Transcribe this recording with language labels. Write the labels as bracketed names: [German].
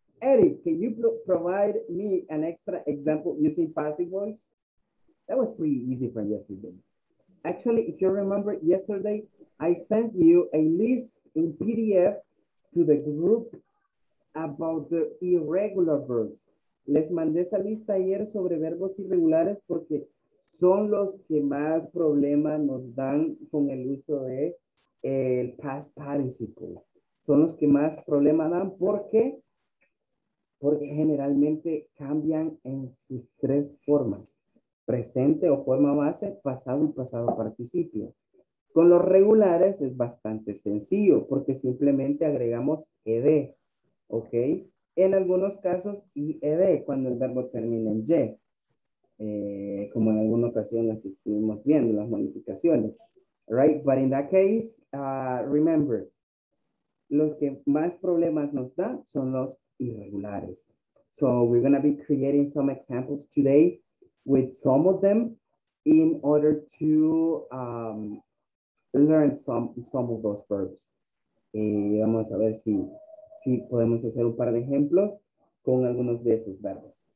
[English] Eric, can you provide me an extra example using passive voice? That was pretty easy from yesterday. Actually, if you remember yesterday, I sent you a list in PDF to the group about the irregular verbs. [Spanish] Les mandé esa lista ayer sobre verbos irregulares porque son los que más problema nos dan con el uso de el past participle. Son los que más problema dan porque generalmente cambian en sus tres formas. Presente o forma base, pasado y pasado participio. Con los regulares es bastante sencillo porque simplemente agregamos ed, ¿ok? En algunos casos, ied, cuando el verbo termina en y. Como en alguna ocasión las estuvimos viendo, las modificaciones. [English] Right? But in that case, remember, [Spanish] los que más problemas nos dan son los irregulares. [English] So we're going to be creating some examples today with some of them in order to learn some of those verbs. [Spanish] Vamos a ver si podemos hacer un par de ejemplos con algunos de esos verbos.